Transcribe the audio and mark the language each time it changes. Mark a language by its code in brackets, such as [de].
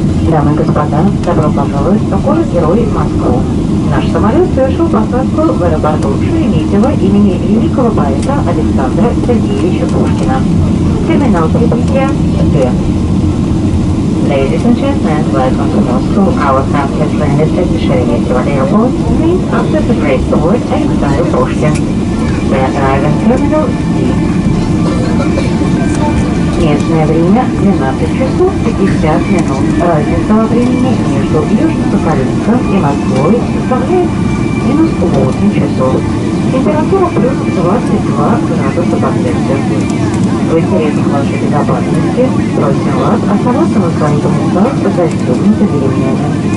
[ru] Дамы и господа, добро пожаловать в покой героев Москвы. Наш самолет совершил посадку в аэропорту Шереметьево имени великого поэта Александра Сергеевича Пушкина. Терминал прибытия Т. [en] Ladies and gentlemen, welcome to Moscow. Our flight has landed at the Sheremetyevo Airport, named after the great poet Alexander Pushkin. We are arriving at Terminal D. [ru] Местное время 12:50. Разница во времени между Южно-Сахалинском и Москвой составляет минус 8:00. Температура плюс 22 градуса по Цельсию. В интересах вашей безопасности просим вас оставаться на своих местах под застегнутыми ремнями.